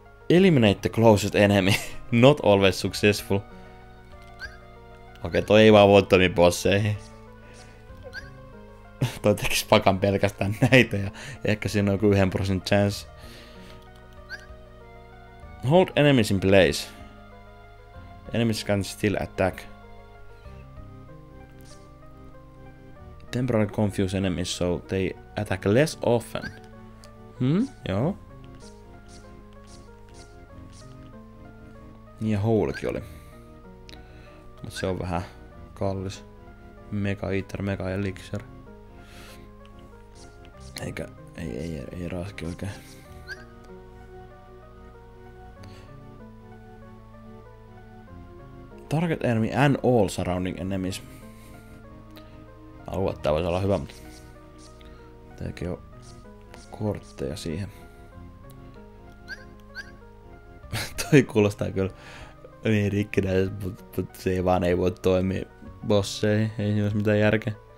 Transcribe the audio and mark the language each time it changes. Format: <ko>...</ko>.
<en>Eliminate the closest enemy. Not always successful.</en> <fi>Okei, toi ei vaan voittomiin bosseihin. Toi tekis pakan pelkästään näitä ja ehkä siinä on joku 1% chance.</fi> <en>Hold enemies in place. Enemies can still attack. Temporarily confuse enemies so they attack less often.</en> <fi>Joo. Niin ja holekin oli. Mut se on vähän kallis. Mega Eater, Mega Elixir. Eikä, ei raski oikein.</fi> <en>Target enemy and all surrounding enemies.</en> <fi>Alue, tää voisi olla hyvä, mutta teekin jo kortteja siihen. Toi kuulostaa kyllä niin rikkinäisesti, mutta se ei vaan ei voi toimia bosseihin. Ei siinä olisi mitään järkeä.</fi>